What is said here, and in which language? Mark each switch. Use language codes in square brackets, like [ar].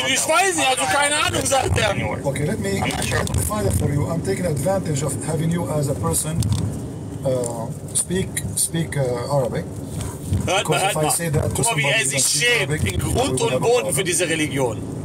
[de] ich weiß nicht, also keine Ahnung, sagt er. [en] Okay, let me find it for you. I'm taking advantage of having you as a person speak Arabic. [de] Hört mal, wie er sich schämt in Grund und Boden für diese Religion.